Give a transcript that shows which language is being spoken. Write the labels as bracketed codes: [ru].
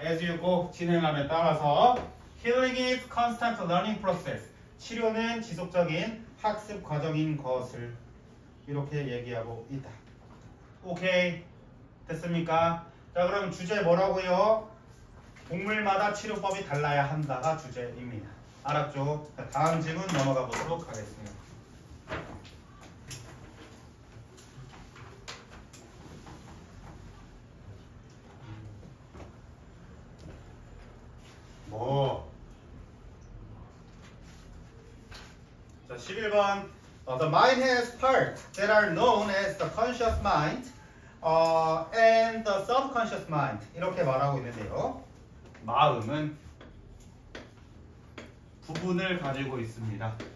[en] As you go [ko] 진행함에 따라서 [en] healing is constant learning process. [ko] 치료는 지속적인 학습 과정인 것을 이렇게 얘기하고 있다. 오케이. 됐습니까? 자, 그럼 주제 뭐라고요? 동물마다 치료법이 달라야 한다가 주제입니다. 알았죠? 자, 다음 질문 넘어가 보도록 하겠습니다. 뭐? 자, 11번. [en] The mind has parts that are known as the conscious mind and the subconscious mind. [ko] 이렇게 말하고 있는데요. 마음은 부분을 가지고 있습니다.